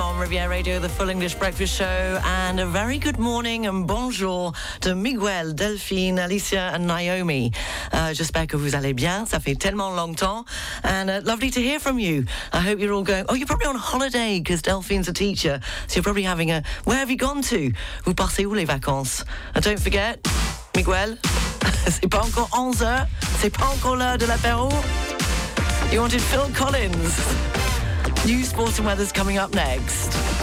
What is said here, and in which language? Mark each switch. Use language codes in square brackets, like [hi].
[en] Yeah, Radio, the Full English Breakfast Show, and a very good morning and bonjour to Miguel, Delphine, Alicia and Naomi. [fr] J'espère que vous allez bien, ça fait tellement longtemps, [en] and lovely to hear from you. I hope you're all going, oh, you're probably on holiday because Delphine's a teacher, so you're probably having a, where have you gone to? [fr] Vous passez où les vacances? [en] And don't forget, Miguel, [fr] c'est pas encore 11h, c'est pas encore l'heure de l'apéro. [en] You wanted Phil Collins. New sports and weather's coming up next.